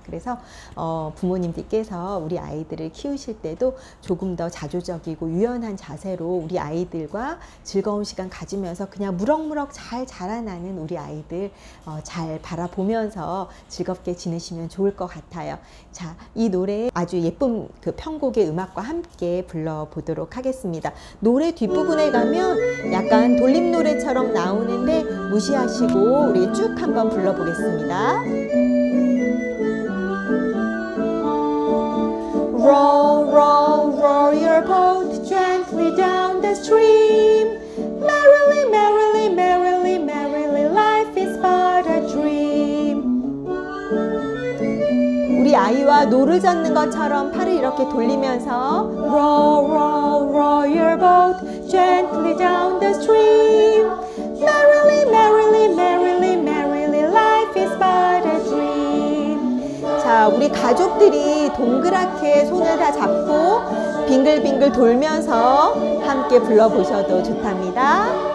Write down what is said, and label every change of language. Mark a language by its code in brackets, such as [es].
[ko] 그래서 부모님들께서 우리 아이들을 키우실 때도 조금 더 자조적이고 유연한 자세로 우리 아이들과 즐거운 시간 가지면서 그냥 무럭무럭 잘 자라나는 우리 아이들 잘 바라보면서 즐겁게 지내시면 좋을 것 같아요. 자, 이 노래 아주 예쁜 그 편곡의 음악과 함께 불러보도록 하겠습니다. 노래 뒷부분에 가면 약간 돌림노래처럼 나오는데 무시하시고 우리 쭉 한번 불러보겠습니다. [en] Row, row, row your boat gently down the stream. Merrily, merrily, merrily, merrily, life is but a dream. [ko] 우리 아이와 노를 젓는 것처럼 팔을 이렇게 돌리면서 [en] row, row, row your boat gently down the stream. Merrily, merrily, merrily, merrily, life is but a dream. [ko] 자, 우리 가족들이 동그랗게 손을 다 잡고 빙글빙글 돌면서 함께 불러보셔도 좋답니다.